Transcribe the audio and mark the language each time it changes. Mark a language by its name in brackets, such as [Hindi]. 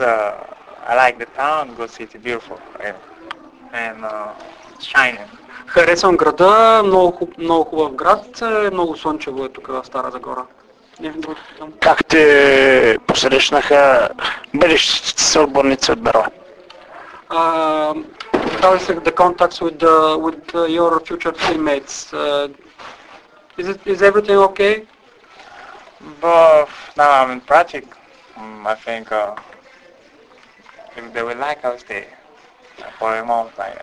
[English] I like the town, good city, beautiful. Yeah. And shining. [Bulgarian] Харесвам града, много хубав град, много слънчево е тук в Стара Загора. Как те посрещнаха бъдещите съотборници от Берое? [English] How is the contacts with your future teammates? Is everything okay? But now I'm in practice. I think if they will like, I'll stay for a month.